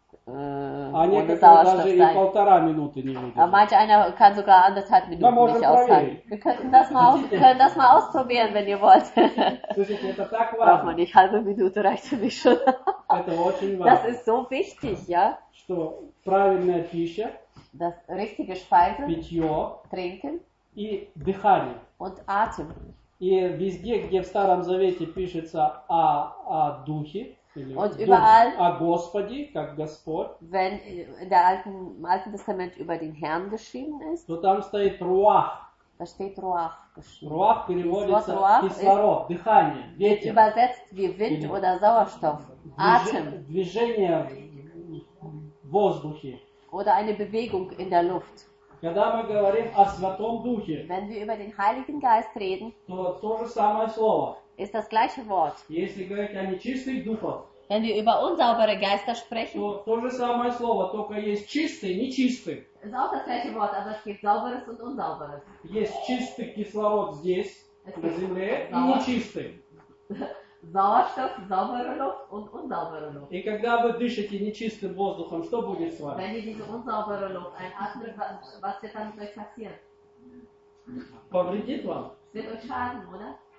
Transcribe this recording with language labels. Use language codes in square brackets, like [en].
[ru] А некоторые даже и полтора минуты не выдержат. А мать, она [de] kann sogar anderthalb Minuten nicht aushalten. Wir können das mal ausprobieren, wenn ihr wollt. [ru] Слушайте, это так важно. [de] Braucht man nicht, halbe Minute reicht für mich schon. [ru] Это очень важно. [de] Das ist so wichtig, ja. [ru] Что правильная пища, [de] das richtige Speise, [ru] питье, [de] trinken [ru] и дыхание. [de] Und Atem. [ru] И везде, где в Старом Завете пишется о духе, [de] und überall, [ru] о Господи, как Господь, [de] wenn der alten Testament über den Herrn geschrieben ist, [ru] то там стоит Руах. [de] Da steht Руах geschrieben. [ru] Руах переводится Руах кислород, дыхание, ветер. [de] Übersetzt wie Wind [ru] или [de] oder Sauerstoff, Atem. [ru] Движение в воздухе. [de] Oder eine Bewegung in der Luft. [ru] Когда мы говорим о Святом Духе, [de] wenn wir über den Heiligen Geist reden, [ru] то же самое слово. [de] Ist das gleiche Wort. Wenn wir über unsaubere Geister sprechen, [ru] то же самое слово, только есть чистый, нечистый. [de] Ist auch das gleiche Wort, aber es gibt sauberes und unsauberes. [ru] Есть чистый кислород здесь, на земле, и нечистый. [de] Sauerstoff, saubere Luft und unsaubere Luft. [ru] И когда вы дышите нечистым воздухом, что будет с вами? [de] Wenn ihr diese unsaubere Luft einatmet, was wird dann mit euch passieren? [ru] Повредит вам? [de] Es wird euch schaden, oder?